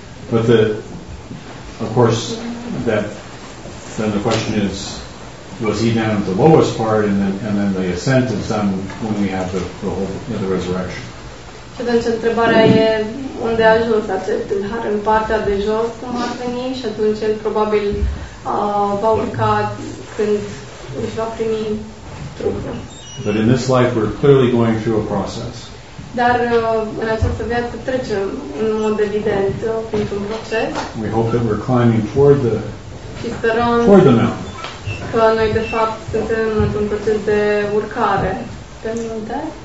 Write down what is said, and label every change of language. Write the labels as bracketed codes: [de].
[en] But the, of course, that then the question is, was he down at the lowest part, and then the ascent is done when we have the whole, you know, the resurrection. [ro] Și atunci întrebarea e unde a ajuns acest tâlhar, în partea de jos cum ar veni și atunci el probabil va urca când își va primi trupul. [en] But in this life we're clearly going through a process. [ro] Dar în această viață trecem în mod evident printr-un proces. [en] We hope that we're climbing toward the [ro] și sperăm [en] toward the mountain. [ro] Că noi de fapt suntem într-un proces de urcare pe munte.